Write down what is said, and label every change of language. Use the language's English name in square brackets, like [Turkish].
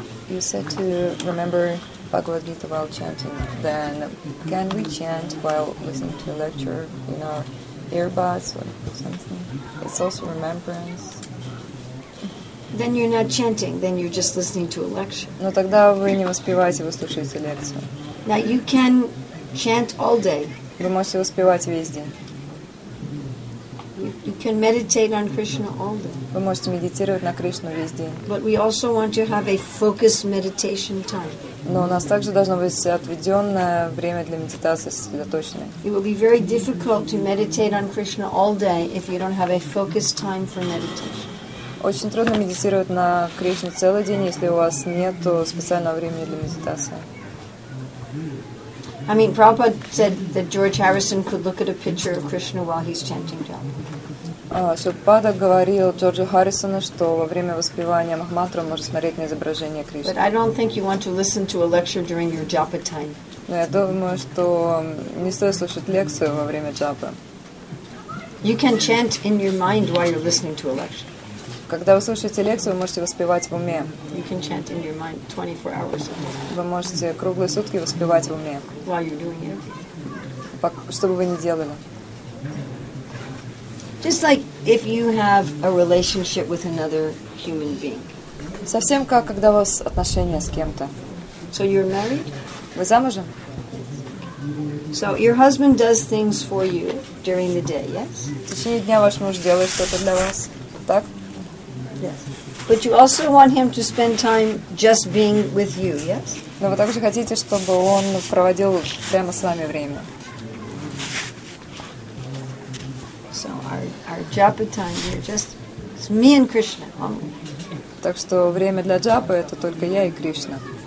[English] You said to remember Bhagavad Gita while chanting. Then can we chant while listening to a lecture in our earbuds or something? It's also remembrance. Then you're not chanting, then you're just listening to a lecture. [Russian] Но тогда вы не воспеваете, вы слушаете лекцию. [English] Now you can chant all day. [Russian] Вы можете воспевать весь день. [English] You can meditate on Krishna all day. [Russian] Вы можете медитировать на Кришну весь день. [English] But we also want to have a focused meditation time. [Russian] Но у нас также должно быть отведенное время для медитации, сосредоточенное. [English] It will be very difficult to meditate on Krishna all day if you don't have a focused time for meditation. [Russian] Очень трудно медитировать на Кришне целый день, если у вас нет специального времени для медитации. [English] I mean, Prabhupada said that George Harrison could look at a picture of Krishna while he's chanting japa. [Russian] Шилпада говорил Джорджу Харрисону, что во время воспевания Махамантры можно смотреть на изображение Кришны. [English] But I don't think you want to listen to a lecture during your japa time. [Russian] Но я думаю, что не стоит слушать лекцию во время джапы. [English] You can chant in your mind while you're listening to a lecture. [Russian] Когда вы слушаете лекцию, вы можете воспевать в уме. [English] You can chant in your mind 24 hours. [Russian] Вы можете круглые сутки воспевать в уме. [English] While you're doing it. [Russian] Что бы вы ни делали. [English] Just like if you have a relationship with another human being. [Russian] Совсем как когда у вас отношения с кем-то. [English] So you're married? [Russian] Вы замужем? [English] So your husband does things for you during the day, yes? [Russian] В течение дня ваш муж делает что-то для вас. Так? [English] Yes. But you also want him to spend time just being with you, yes? [Russian] Но вы также хотите, чтобы он проводил прямо с вами время. [English] So our japa time, we're just it's me and Krishna. [Russian] Так что время для джапы — это только я и Кришна.